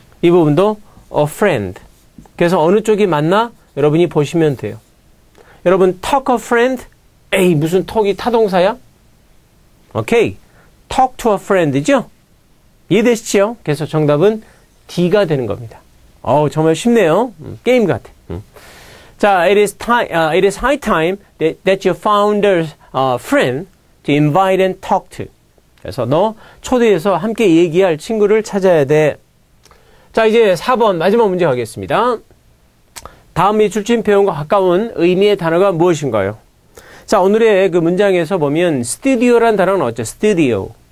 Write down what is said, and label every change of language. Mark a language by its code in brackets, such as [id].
[ko] 이 부분도 [en] a friend. [ko] 그래서 어느 쪽이 맞나? 여러분이 보시면 돼요. 여러분, [en] talk a friend? [ko] 에이, 무슨 talk이 타동사야? 오케이. [en] talk to a friend죠? [ko] 이해되시죠? 그래서 정답은 D가 되는 겁니다. 어우, 정말 쉽네요. 게임 같아. 자, [en] it is high time that you found a friend to invite and talk to. [ko] 그래서 너 초대해서 함께 얘기할 친구를 찾아야 돼. 자, 이제 4번 마지막 문제 가겠습니다. 다음이 출제 표현과 가까운 의미의 단어가 무엇인가요? 자, 오늘의 그 문장에서 보면 스튜디오란 단어는 어째? 스튜디오.